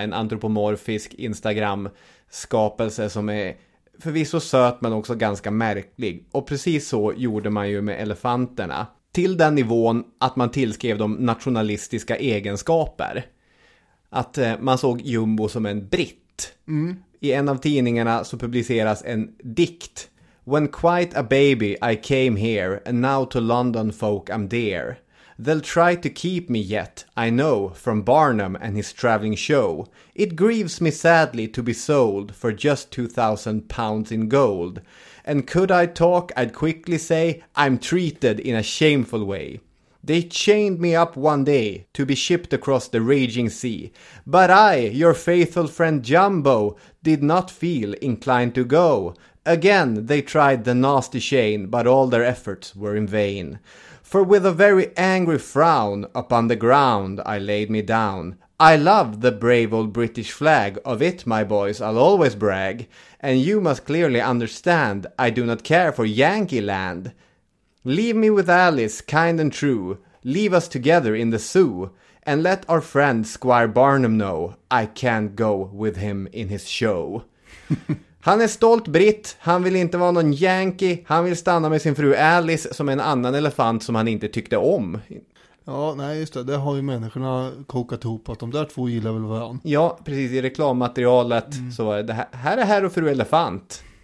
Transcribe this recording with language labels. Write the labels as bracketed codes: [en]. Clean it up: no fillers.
[sv] En antropomorfisk Instagram-skapelse som är förvisso söt men också ganska märklig. Och precis så gjorde man ju med elefanterna. Till den nivån att man tillskrev de nationalistiska egenskaper. Att man såg Jumbo som en britt. Mm. I en av tidningarna så publiceras en dikt. [en] When quite a baby I came here and now to London folk I'm there. They'll try to keep me yet, I know, from Barnum and his traveling show. It grieves me sadly to be sold for just 2,000 pounds in gold. And could I talk, I'd quickly say, I'm treated in a shameful way. They chained me up one day to be shipped across the raging sea. But I, your faithful friend Jumbo, did not feel inclined to go. Again, they tried the nasty chain, but all their efforts were in vain. For with a very angry frown upon the ground I laid me down. I love the brave old British flag, of it, my boys, I'll always brag. And you must clearly understand, I do not care for Yankee land. Leave me with Alice, kind and true, leave us together in the zoo, and let our friend Squire Barnum know, I can't go with him in his show. [sv] Han är stolt britt, han vill inte vara någon Yankee, han vill stanna med sin fru Alice som en annan elefant som han inte tyckte om. Ja, nej, just det. Det har ju människorna kokat ihop att de där två gillar väl varandra. Ja, precis. I reklammaterialet så var det här är herr och fru elefant.